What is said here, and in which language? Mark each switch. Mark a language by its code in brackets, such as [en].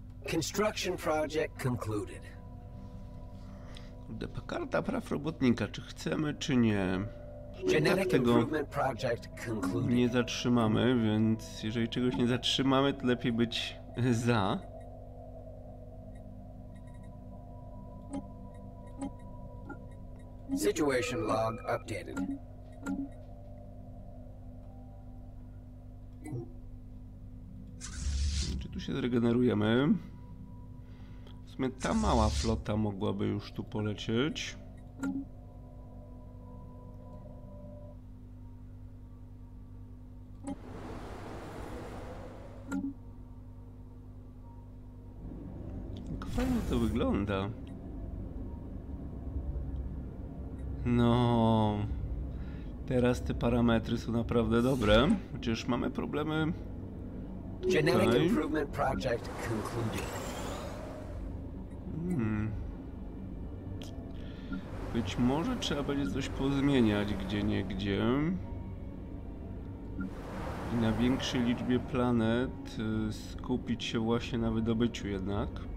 [en] Construction project concluded. [pl] Karta praw robotnika, czy chcemy, czy nie. Tak tego nie zatrzymamy, więc jeżeli czegoś nie zatrzymamy, to lepiej być za. [en] Situation log updated. [pl] Czy tu się zregenerujemy? Ta mała flota mogłaby już tu polecieć. Jak fajnie to wygląda. No, teraz te parametry są naprawdę dobre, chociaż mamy problemy. [en] Genetic Improvement Project concluded. [pl] Być może trzeba będzie coś pozmieniać gdzieniegdzie. I na większej liczbie planet skupić się właśnie na wydobyciu jednak.